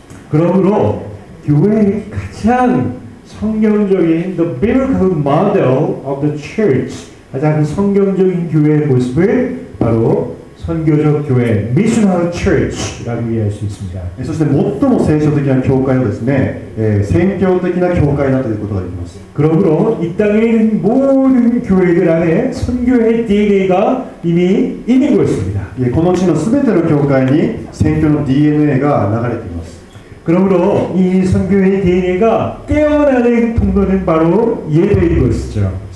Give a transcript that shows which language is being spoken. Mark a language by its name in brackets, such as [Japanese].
[Korean] 그러므로교회의가장성경적인 [English] the biblical model of the church [Korean] 가장 성경적인 교회의 모습을 바로 선교적 교회, missional church라고 이해할 수 있습니다. [Japanese] そして最も聖書的な教会はですね、宣教的な教会だということができます。 [Korean] 그러므로 이 땅에 있는 모든 교회들 안에 선교의 DNA가 이미 있는 것입니다. [Japanese] この地のすべての教会に宣教のDNAが流れています。 [Korean] 그러므로 이 선교의 DNA가 깨어나는 통로는 바로 예배인 것이죠.